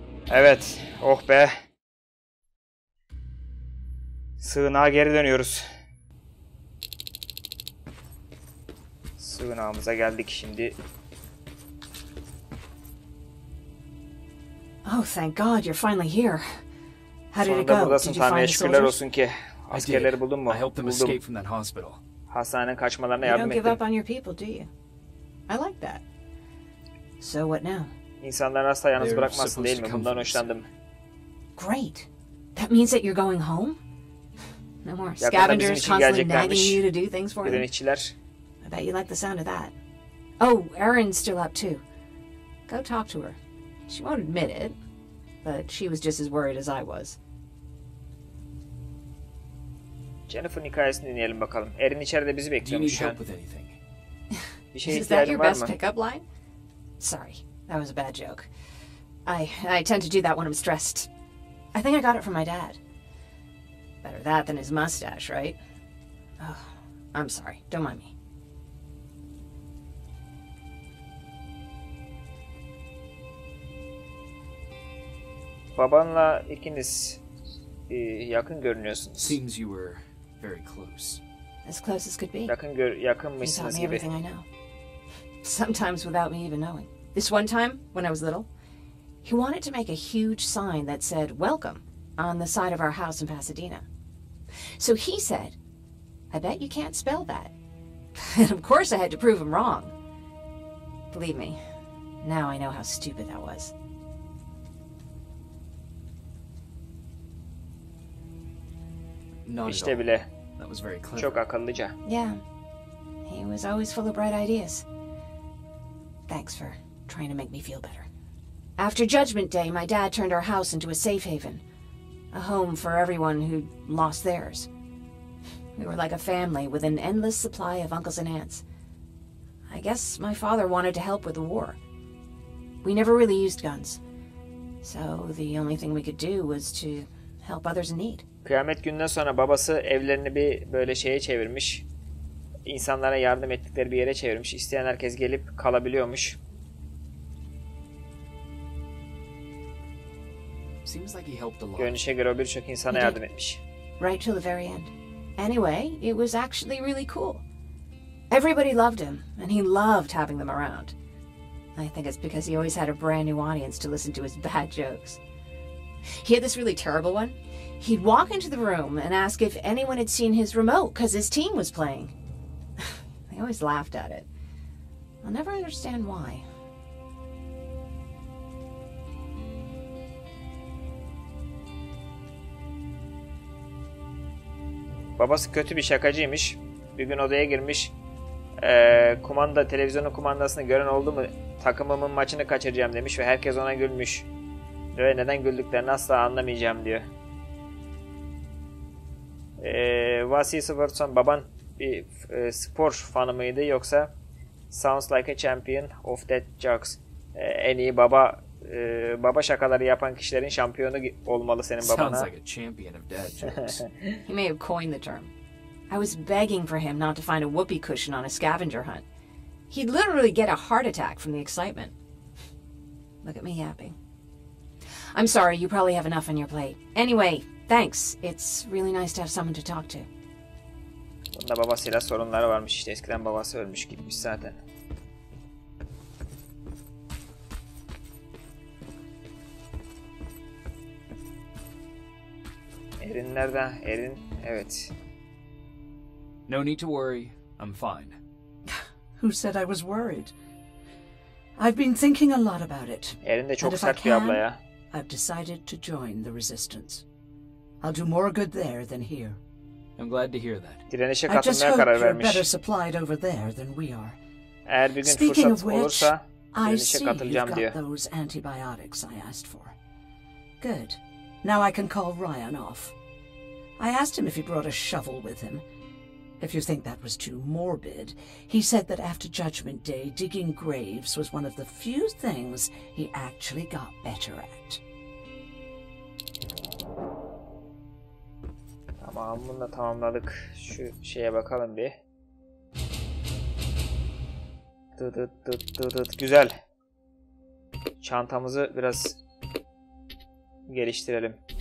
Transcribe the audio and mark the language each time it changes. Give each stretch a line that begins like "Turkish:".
Turkish: Evet, oh be. Sığınağa geri dönüyoruz. Sığınağımıza geldik şimdi.
English: Oh thank God, you're finally here. How did it go?
Turkish: Sonunda buradasın Tanrı'ya şükürler olsun ki. Askerleri buldun mu?
English: I helped them
Turkish: buldum.
English: Escape from that hospital.
Turkish: Hastanenin kaçmalarına
English: you
Turkish: yardım ettim.
English: You don't give up on your people, do you? I like that. So what now?
Turkish: İnsanlar asla yalnız bırakmasın değil mi? Bundan hoşlandım.
English: Great. That means that you're going home? No more scavengers constantly nagging you to do things for them.
Turkish: İşçiler.
English: I bet you like the sound of that. Oh, Erin's still up too. Go talk to her. She won't admit it, but she was just as worried as I was.
Turkish: Jennifer'ın hikayesini dinleyelim bakalım. Erin içeride bizi bekliyormuş.
English: Do you need help with anything? Is that your best pickup line? Sorry. That was a bad joke. I tend to do that when I'm stressed. I think I got it from my dad. Better that than his mustache, right? Oh, I'm sorry. Don't mind me.
Turkish: Babanla ikiniz yakın görünüyorsunuz.
English: Seems you were very close. As close as could be.
Turkish: Yakınmışsınız gibi.
English: You taught me everything I know. Sometimes without me even knowing. This one time, when I was little, he wanted to make a huge sign that said, Welcome, on the side of our house in Pasadena. So he said, I bet you can't spell that. And of course I had to prove him wrong. Believe me, now I know how stupid that was. Not at all. That was very clever.
Turkish: Çok akıllıca.
English: Yeah. He was always full of bright ideas. Thanks for... trying to make me feel better. After Judgment Day, my dad turned our house into a safe haven, a home for everyone who'd lost theirs. We were like a family with an endless supply of uncles and aunts. I guess my father wanted to help with the war. We never really used guns, so the only thing we could do was to help others in need.
Turkish: Kıyamet gününden sonra babası evlerini bir böyle şeye çevirmiş, insanlara yardım ettikleri bir yere çevirmiş, isteyen herkes gelip kalabiliyormuş.
English: Seems like he helped a lot.
Turkish: Görünüşe göre o birçok insana yardım etmiş.
English: Right till the very end. Anyway, it was actually really cool. Everybody loved him, and he loved having them around. I think it's because he always had a brand new audience to listen to his bad jokes. He had this really terrible one. He'd walk into the room and ask if anyone had seen his remote because his team was playing. They always laughed at it. I'll never understand why.
Turkish: Babası kötü bir şakacıymış. Bir gün odaya girmiş. Kumanda, televizyonun kumandasını gören oldu mu? Takımımın maçını kaçıracağım demiş ve herkes ona gülmüş. Ve neden güldüklerini asla anlamayacağım diyor. Vasil Sivertson, baban bir spor fanı mıydı yoksa?
English: Sounds like a champion of dead jokes.
Turkish: En iyi baba baba şakaları yapan kişilerin şampiyonu olmalı senin babana.
English: Sounds like a champion of dead jokes. He may have coined the term. I was begging for him not to find a whoopee cushion on a scavenger hunt. He'd literally get a heart attack from the excitement. Look at me yapping. I'm sorry, you probably have enough on your plate. Anyway, thanks. It's really nice to have someone to talk to.
Turkish: Bunda babasıyla sorunları varmış işte. Eskiden babası ölmüş gitmiş zaten. Erin nerede? Erin, evet.
English: No need to worry. I'm fine. Who said I was worried? I've been thinking a lot about it.
Turkish: Erin de çok sert bir abla ya.
English: I've decided to join the resistance. I'll do more good there than here. I'm glad to hear that.
Turkish: Direnişe katılmaya karar vermiş.
English: I just hope you're better supplied over there than we are.
Turkish: Eğer bir gün
English: Speaking of which,
Turkish: olursa,
English: I see
Turkish: katılacağım
English: you've got
Turkish: diyor.
English: Those antibiotics I asked for. Good. Now I can call Ryan off. I asked him if he brought a shovel with him. If you think that was too morbid, he said that after Judgment Day, digging graves was one of the few things he actually got better at.
Turkish: Tamam, bunu da tamamladık. Şu şeye bakalım bir. Dıt dıt dıt dıt dıt. Güzel. Çantamızı biraz geliştirelim.